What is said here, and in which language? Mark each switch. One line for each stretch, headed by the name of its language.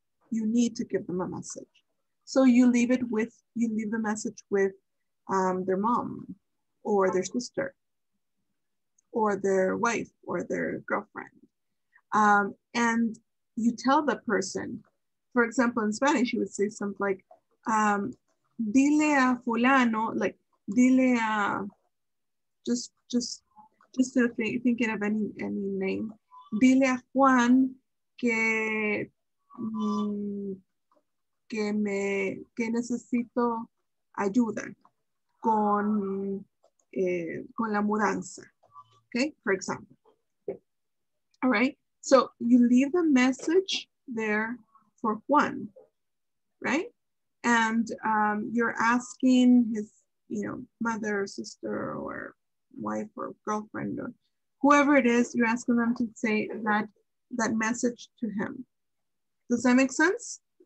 English: You need to give them a message. So you leave the message with their mom or their sister or their wife or their girlfriend. And you tell the person, for example, in Spanish, you would say something like,
Spanish: dile a fulano,
English: like
Spanish: dile a,
English: just thinking of any name.
Spanish: Dile a Juan que necesito ayuda con la mudanza.
English: Okay, for example. All right, so you leave the message there for Juan, right? And you're asking his, mother or sister or wife or girlfriend or whoever it is, you're asking them to say that message to him. Does that make sense?